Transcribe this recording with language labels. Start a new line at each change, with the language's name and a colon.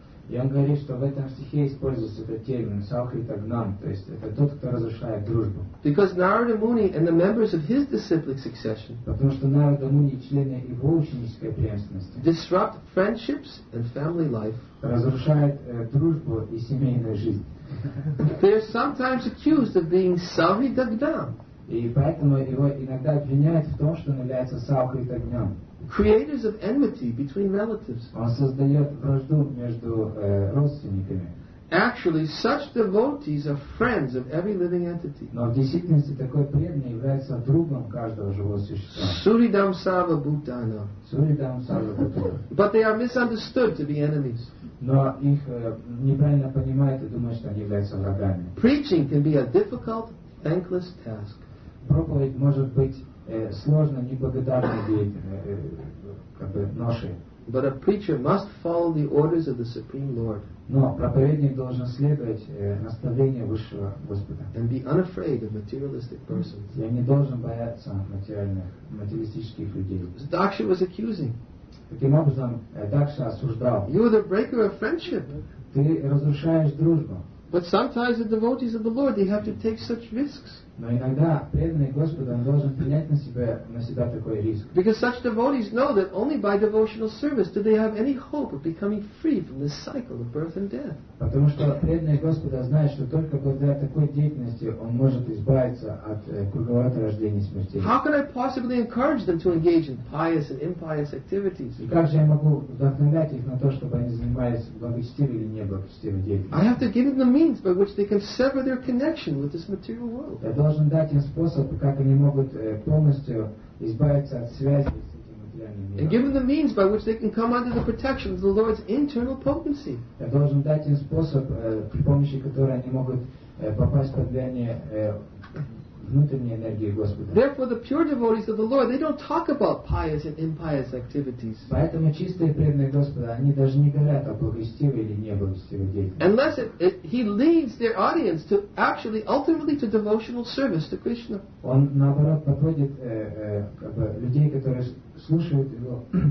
Russian: И он говорит, что в этом стихе используется этот термин сахритагнам, то есть это тот, кто разрушает дружбу.
English: Because Narada Muni and the members of his disciplic succession,
Russian: потому что Нарада Муни и члены его ученической преемственности,
English: disrupt friendships and family life,
Russian: разрушает дружбу и семейную жизнь.
English: They are sometimes accused of being сахритагнам.
Russian: И поэтому его иногда обвиняют в том, что он является сахритагнам.
English: Creators of enmity between relatives.
Russian: Он создает вражду между родственниками.
English: Actually, such devotees are friends of every living entity.
Russian: Но в действительности такой преданный является другом каждого живого существа.
Sanskrit: Suridam sava bhutana. Suridam sava bhutana.
English: But they are misunderstood to be enemies.
Russian: Но их неправильно понимают и думают, что они являются врагами.
English: Preaching can be a difficult, thankless task.
Russian: Проповедь может быть сложно, неблагодарно деятельно, как бы ношей.
English: But a preacher must follow the orders of the Supreme Lord.
Russian: Но проповедник должен следовать наставлению Высшего Господа.
English: And be unafraid of materialistic persons.
Russian: Я не должен бояться материалистических людей.
English: Дакша was accusing.
Russian: Таким образом, Дакша осуждал.
English: You are the breaker of friendship.
Russian: Ты разрушаешь дружбу.
English: But sometimes the devotees of the Lord, they have to take such risks.
Russian: Но иногда преданный Господу должен принять на себя такой риск.
English: Because such devotees know that only by devotional service do they have any hope of becoming free from this cycle of birth and death.
Russian: Потому что преданный Господу знает, что только благодаря такой деятельности он может избавиться от круговорота рождения и смерти.
English: How can I possibly encourage them to engage in pious and impious activities?
Russian: И как же я могу вдохновлять их на то, чтобы они занимались благочестивой или неблагочестивой деятельностью?
English: I have to give them the means by which they can sever their connection with this material world.
Russian: Я должен дать им способ, как они могут полностью избавиться от связи с этим материальным миром.
English: And give them the means by which they can come under the protection of the Lord's internal potency.
Russian: Я должен дать им способ, при помощи которого они могут попасть под влияние внутренней энергией Господа.
English: Therefore, the pure devotees of the Lord, they don't talk about pious and impious activities.
Russian: Поэтому чистые преданные Господа, они даже не говорят о благочестивой или неблагочестивой деятельности.
English: Unless he leads their audience to actually, ultimately, to devotional service to Krishna.
Russian: Он наоборот подводит людей, которые слушают его.